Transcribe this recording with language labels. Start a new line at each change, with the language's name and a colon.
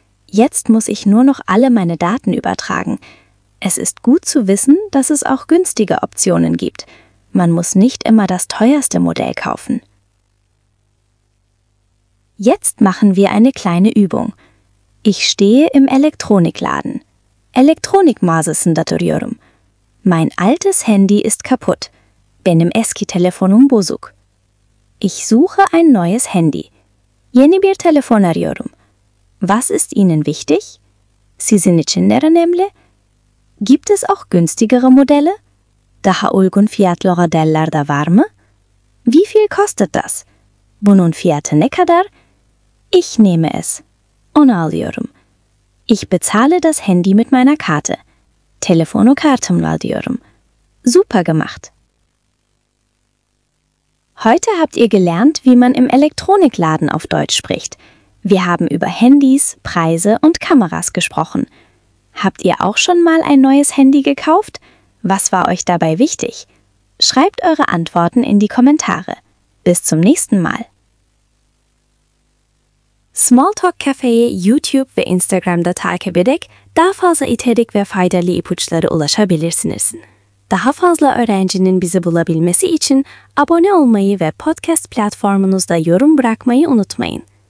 German: Jetzt muss ich nur noch alle meine Daten übertragen. Es ist gut zu wissen, dass es auch günstige Optionen gibt. Man muss nicht immer das teuerste Modell kaufen. Jetzt machen wir eine kleine Übung. Ich stehe im Elektronikladen.
Turkish: Elektronikmağazasında duruyorum.
German: Mein altes Handy ist kaputt.
Turkish: Benim eski telefonum bozuk.
German: Ich suche ein neues Handy.
Turkish: Yeni bir telefon arıyorum.
German: Was ist Ihnen wichtig?
Turkish: Sizin için ne önemli?
German: Gibt es auch günstigere Modelle?
Turkish: Daha uygun fiyatlı modeller de var mı?
German: Wie viel kostet das?
Turkish: Bunun fiyatı ne kadar?
German: Ich nehme es.
Turkish: Onu alıyorum.
German: Ich bezahle das Handy mit meiner Karte.
Turkish: Telefonu kartımla alıyorum.
German: Super gemacht! Heute habt ihr gelernt, wie man im Elektronikladen auf Deutsch spricht. Wir haben über Handys, Preise und Kameras gesprochen. Habt ihr auch schon mal ein neues Handy gekauft? Was war euch dabei wichtig? Schreibt eure Antworten in die Kommentare. Bis zum nächsten Mal.
Turkish: Smalltalk Café YouTube ve Instagram'da takip edek, daha fazla içerik ve faydalı ipuçları ulaşabilirsiniz. Daha fazla öğrencinin bizi bulabilmesi için abone olmayı ve podcast platformunuzda yorum bırakmayı unutmayın.